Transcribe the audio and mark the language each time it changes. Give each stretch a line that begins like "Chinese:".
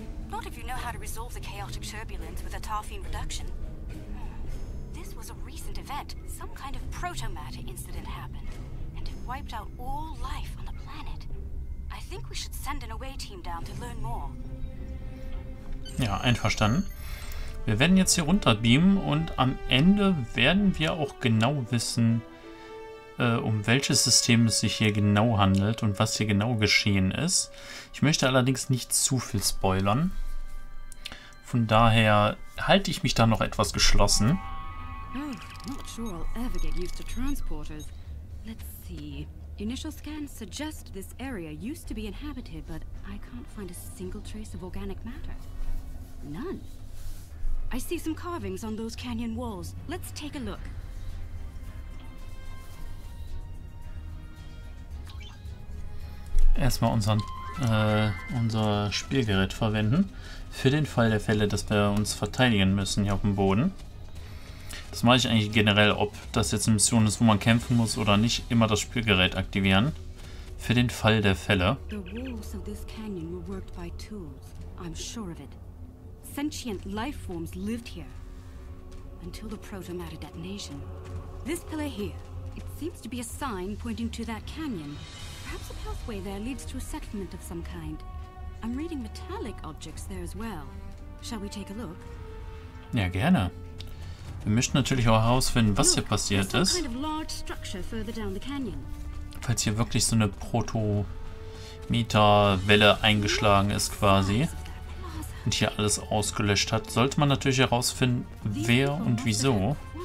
English: Not if you know how to resolve the chaotic turbulence with a Tarfine reduction. This was a recent event. Some kind of proto-matter incident happened. And it wiped out all life on the planet. I think we should send an away team down to learn more.
German: Ja, einverstanden. Wir werden jetzt hier runter beamen und am Ende werden wir auch genau wissen, um welches System es sich hier genau handelt und was hier genau geschehen ist. Ich möchte allerdings nicht zu viel spoilern. Von daher halte ich mich da noch etwas geschlossen.
English: Oh, not sure I'll ever get used to transporters. Let's see. Initial scans suggest this area used to be inhabited, but I can't find a single trace of organic matter. None. I see some carvings on those canyon walls. Let's take a look.
German: Erstmal unser Spielgerät verwenden. Für den Fall der Fälle, dass wir uns verteidigen müssen hier auf dem Boden. Das mache ich eigentlich generell, ob das jetzt eine Mission ist, wo man kämpfen muss oder nicht, immer das Spielgerät aktivieren. Für den Fall der Fälle.
English: The walls of this canyon were worked by tools. I'm sure of it. Sentient life forms lived here. Until the proto-matter detonation. This pillar here, it seems to be a sign pointing to that canyon. Perhaps a pathway there leads to a settlement of some kind. I'm reading metallic objects there as well. Shall we take a look?
German: Ja, gerne. Wir möchten natürlich auch herausfinden, was hier passiert ist.
English: Some kind of large structure further down the canyon.
German: Falls hier wirklich so eine Proto-Meter-Welle eingeschlagen ist quasi und hier alles ausgelöscht hat, sollte man natürlich herausfinden, wer und wieso.